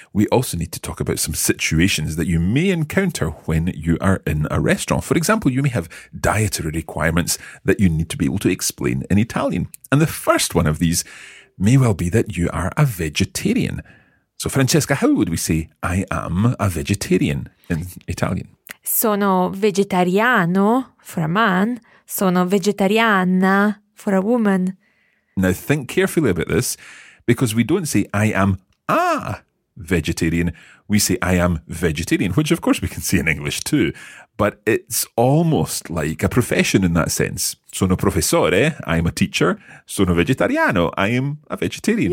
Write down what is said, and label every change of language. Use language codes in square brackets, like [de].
[en] We also need to talk about some situations that you may encounter when you are in a restaurant. For example, you may have dietary requirements that you need to be able to explain in Italian. And the first one of these may well be that you are a vegetarian. So Francesca, how would we say I am a vegetarian in Italian? [it] Sono vegetariano [en] for a man, [it] sono vegetariana [en] for a woman. Now think carefully about this, because we don't say I am a vegetarian, we say I am vegetarian, which of course we can say in English too, but it's almost like a profession in that sense. [it] Sono professore, [en] I am a teacher. [it] Sono vegetariano, [en] I am a vegetarian.